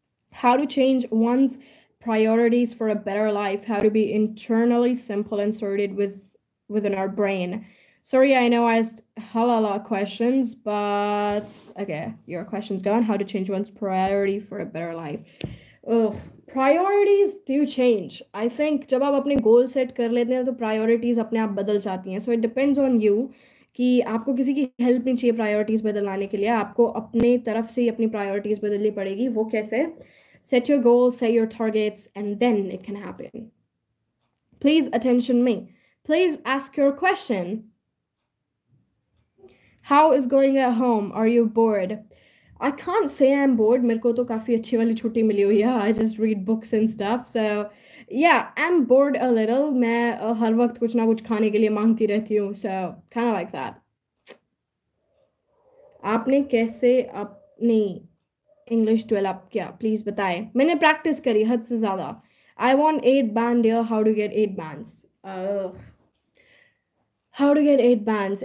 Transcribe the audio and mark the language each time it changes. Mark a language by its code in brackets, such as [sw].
[en] How to change one's priorities for a better life, how to be internally simple and sorted within our brain. Sorry, I know I asked hella lot of questions, but okay, your question's gone. How to change one's priority for a better life. Ugh. Priorities do change. [hi] I think जब आप अपने goal set कर लेते हैं तो priorities अपने आप बदल जाती हैं. [en] so it depends on you [hi] कि आपको किसी की हेल्प नहीं चाहिए प्रायोरिटीज बदलाने के लिए. आपको अपने तरफ से ही अपनी प्रायोरिटीज बदलनी पड़ेगी. वो कैसे? [en] Set your goals, set your targets, and then it can happen. Please attention me. Please ask your question. How is going at home? Are you bored? I can't say I'm bored. [hi] मेरे को तो काफी अच्छी वाली छुट्टी मिली हुई है. [en] I just read books and stuff. So yeah, I'm bored a little. [hi] मैं हर वक्त कुछ ना कुछ खाने के लिए मांगती रहती हूँ. [en] So kind of like that. [hi] आपने कैसे अपनी इंग्लिश डेवलप किया प्लीज बताएं. मैंने प्रैक्टिस करी हद से ज्यादा. [en] I want 8 band. How to get 8 bands? How to get 8 bands?